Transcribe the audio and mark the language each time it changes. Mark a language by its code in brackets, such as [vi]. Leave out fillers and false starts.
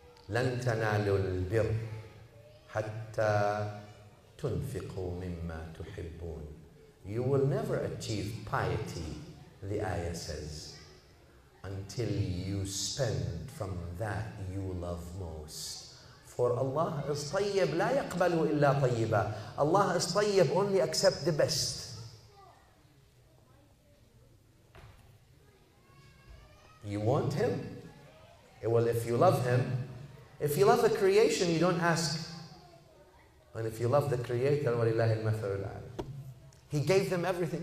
[ar] لَن تَنَالُوا الْبِرَّ حَتَّى تُنْفِقُوا مِمَّا تُحِبُّونَ. [en] You will never achieve piety, the ayah says, until you spend from that you love most. For Allah is [ar] طيب لا يقبل إلا طيبا. [en] Allah is طيب, only accept the best. You want Him? Well, if you love Him, if you love the creation, you don't ask. And if you love the Creator, [ar] وَلِلَّهِ الْمَثَلُ الْعَالَى. [en] He gave them everything.